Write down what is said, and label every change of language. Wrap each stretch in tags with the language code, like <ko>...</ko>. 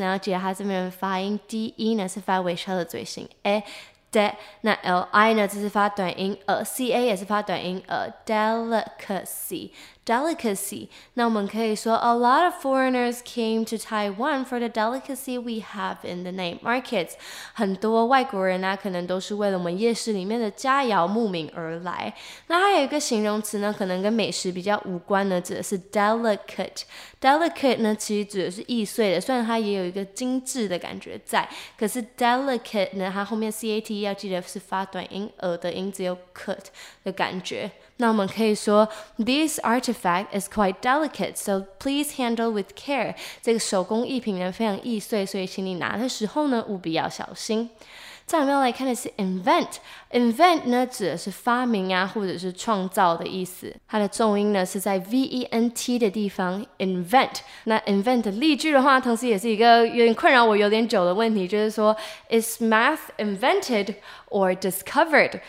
<zh>然后记得它这边的发音 ，d e 呢是发微笑的嘴型 ，a de， 那 l i 呢只是发短音 ，c a 也是发短音 ，delicacy。Delicacy. 那我们可以说</zh> <en>a lot of foreigners came to Taiwan for the delicacy we have in the night markets.</en> <zh>很多外国人啊可能都是为了我们夜市里面的佳肴慕名而来。那还有一个形容词呢可能跟美食比较无关呢指的是 delicate. Delicate 呢其实指的是易碎的虽然它也有一个精致的感觉在。可是 delicate 呢它后面 CAT 要记得是发短音额的音只有 cut 的感觉。那我们可以说</zh> <en>This artifact is quite delicate, so please handle with care.</en> <zh>这个手工艺品呢非常易碎，所以请你拿的时候呢务必要小心。再来我们来看的是 invent。invent 呢指的是发明啊或者是创造的意思。它的重音呢是在 V-E-N-T 的地方 invent。那 invent 的例句的话同时也是一个有点困扰我有点久的问题就是说</zh> <en>Is math invented or discovered?</en>